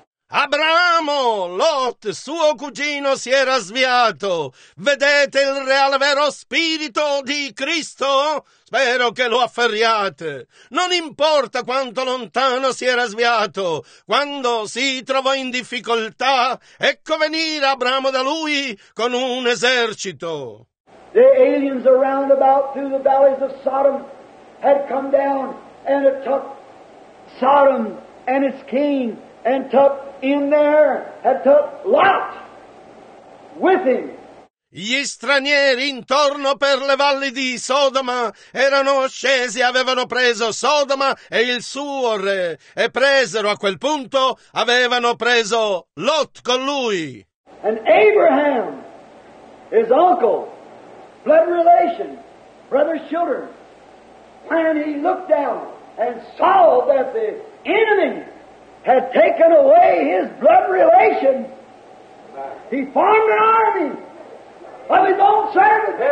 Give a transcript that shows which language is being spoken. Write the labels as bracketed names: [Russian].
[Italian] Abramo, Lot, suo cugino, si era sviato. Vedete il reale vero spirito di Cristo? Spero che lo afferriate. Non importa quanto lontano si era sviato, quando si trovò in difficoltà, ecco venire Abramo da lui con un esercito. [English] The aliens around about through the valleys of Sodom had come down and it took Sodom and its king and took in there had took Lot with him. [Italian] Gli stranieri intorno per le valli di Sodoma erano scesi, avevano preso Sodoma e il suo re, e presero a quel punto, avevano preso Lot con lui. [English] And Abraham, his uncle, blood relation, brother's children, when he looked down and saw that the enemy had taken away his blood relation, he formed an army of his own servants.